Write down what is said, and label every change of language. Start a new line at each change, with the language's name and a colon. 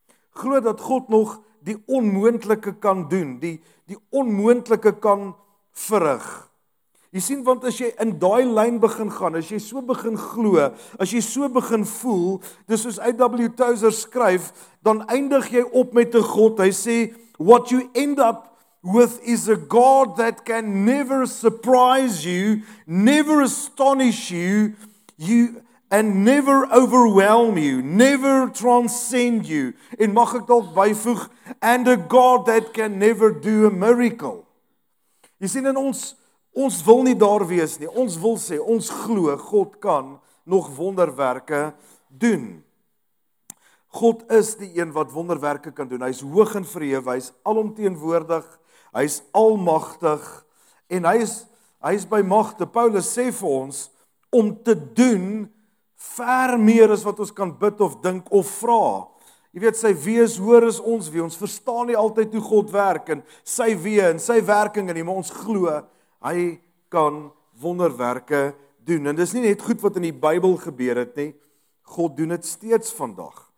Afrikaans: Glo dat God nog die onmoontlike kan doen, die onmoontlike kan verrig. Jy sien, want as jy in daai lyn begin gaan, as jy so begin glo, as jy so begin voel, dis soos A.W. Tozer skryf, dan eindig jy op met 'n God. Hy sê,
English: what you end up with is a God that can never surprise you, never astonish you and never overwhelm you, never transcend you.
Afrikaans: En mag ek dalk byvoeg,
English: and a God that can never do a miracle.
Afrikaans: Jy sien, in ons wil nie daar wees nie, ons wil sê, ons glo, God kan nog wonderwerke doen. God is die een wat wonderwerke kan doen, hy is hoog en verhewe, hy is alomteenwoordig, hy is almagtig, en hy is by magte. Paulus sê vir ons, om te doen, ver meer as wat ons kan bid of dink of vra. Jy weet, sy wees hoor is ons wie, ons verstaan nie altyd hoe God werk, en sy wee en sy werking in hom, maar ons glo, hy kan wonderwerke doen. En dis nie net goed wat in die Bybel gebeur het nie, God doen het steeds vandag.